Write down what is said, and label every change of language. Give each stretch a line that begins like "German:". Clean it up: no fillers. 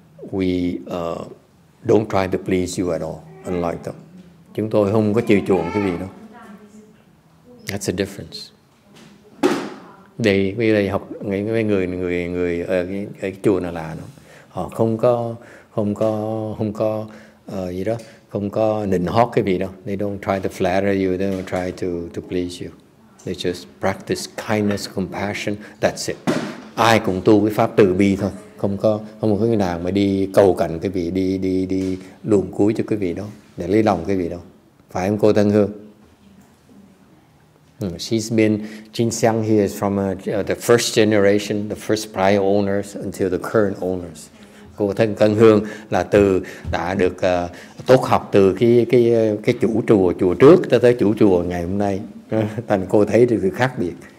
English: We don't try to please you at all, unlike them.
Vietnamese: Chúng tôi không có chiều chuộng cái gì đâu.
English: That's the difference.
Vietnamese: Đây học người ở cái chùa nào là đó. Họ không có gì đó, không có nịnh hót cái gì đâu.
English: They don't try to flatter you, they don't try to please you. They just practice kindness, compassion, that's it.
Vietnamese: Ai cũng tu cái pháp từ bi thôi. Không có người nào mà đi cầu cạnh cái vị đi luồn cuối cho cái vị đó để lấy lòng cái vị đó, phải không cô Thân Hương?
English: She's been Jin Xiang here from the first generation, the first prior owners until the current owners.
Vietnamese: Cô Thân Hương là từ đã được tốt học từ cái chủ chùa trước tới chủ chùa ngày hôm nay, thành cô thấy được sự khác biệt.